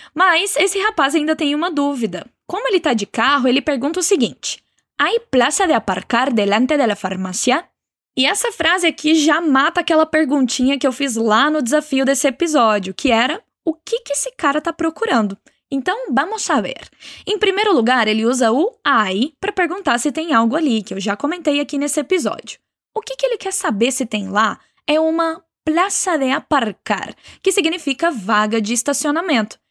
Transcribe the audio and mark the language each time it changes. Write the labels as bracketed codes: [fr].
[pt] Mas esse rapaz ainda tem uma dúvida. Como ele está de carro, ele pergunta o seguinte. [es] ¿Hay plaza de aparcar delante de la farmacia? [pt] E essa frase aqui já mata aquela perguntinha que eu fiz lá no desafio desse episódio, que era, o que que esse cara está procurando? Então, [es] vamos a ver. [pt] Em primeiro lugar, ele usa o hay para perguntar se tem algo ali, que eu já comentei aqui nesse episódio. O que que ele quer saber se tem lá é uma plaza de aparcar, que significa vaga de estacionamento.